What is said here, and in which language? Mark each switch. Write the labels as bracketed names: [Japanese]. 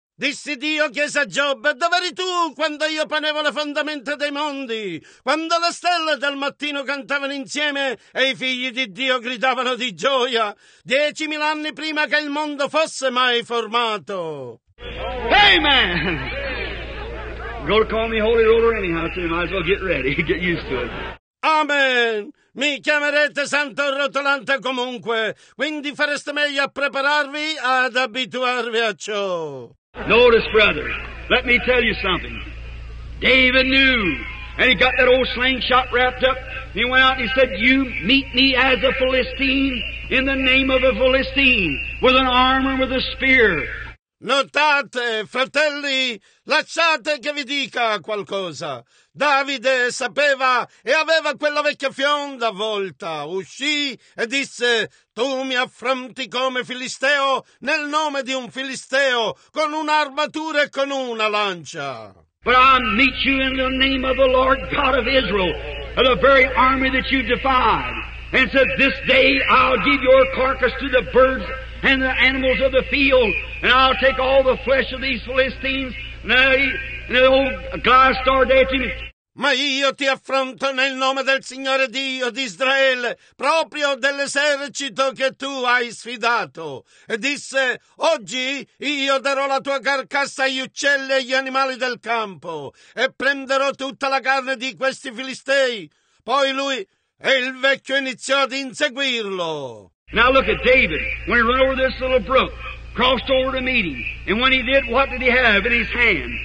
[Italian] Dissi Dio, chiese a Giobbe, dove eri tu quando io ponevo le fondamenta dei mondi? Quando le stelle del mattino cantavano insieme e i figli di Dio gridavano di gioia? 10,000 anni prima che il mondo fosse mai formato. Amen! [English] Go to call me holy roller anyhow, so you might as well get ready, get used to it. Amen! [Italian] Mi chiamerete santo rotolante comunque, quindi fareste meglio a prepararvi ad abituarvi a ciò. [English] Notice, brother, let me tell you something. David knew, and he got that old slingshot wrapped up, and he went out and he said, you meet me as a Philistine in the name of a Philistine, with an armor and with a spear. [Italian] Notate, fratelli, lasciate che vi dica qualcosa. Davide sapeva e aveva quella vecchia fionda avvolta. Uscì e disse, tu mi affronti come Filisteo nel nome di un Filisteo, con un'armatura e con una lancia. [English] But I meet you in the name of the Lord God of Israel, of the very army that you defied, and said, this day I'll give your carcass to the birds and the animals of the field, and I'll take all the flesh of these Philistines, and the old Goliath star dancing. [Italian] Ma io ti affronto nel nome del Signore Dio di Israele, proprio dell'esercito che tu hai sfidato. E disse, oggi io darò la tua carcassa agli uccelli e agli animali del campo, e prenderò tutta la carne di questi filistei. Poi lui e il vecchio iniziò ad inseguirlo. [English] Now look at David, when he ran over this little brook, crossed over to meet him, and when he did, what did he have in his hand?